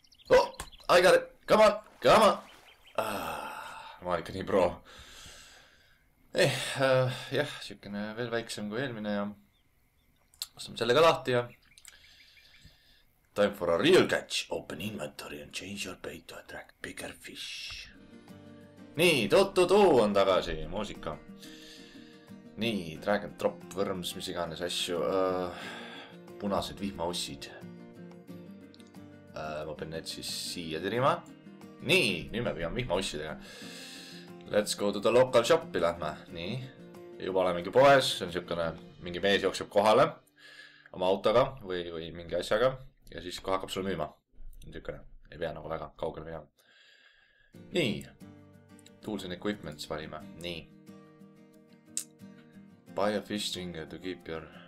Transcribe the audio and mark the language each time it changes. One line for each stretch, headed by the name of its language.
English: Oh, I got it. Come on.
Estonian: Ma olen ikka nii pro. Jah, siukene veel väiksem kui eelmine ja vastame selle ka lahti ja
English: time for a real catch. Open inventory and change your bait to attract bigger fish.
Estonian: Nii, tututuu on tagasi, muusika. Nii,
English: drag and drop, worms,
Estonian: mis iganes asju. Punased vihmaussid. Ma pean need siis siia tirima. Nii, nüüd me püüame vihmaussidega.
English: Let's go to the local
Estonian: shopi lähme. Nii, juba oleme mingi poes. See on siukene, mingi mees jookseb kohale. Oma autoga või mingi asjaga. Ja siis kohe hakkab sulle müüma. Siukene, ei pea nagu väga kaugel minema.
English: Nii, tools and equipments
Estonian: valime. Nii.
English: Buy a fish stringer to keep your...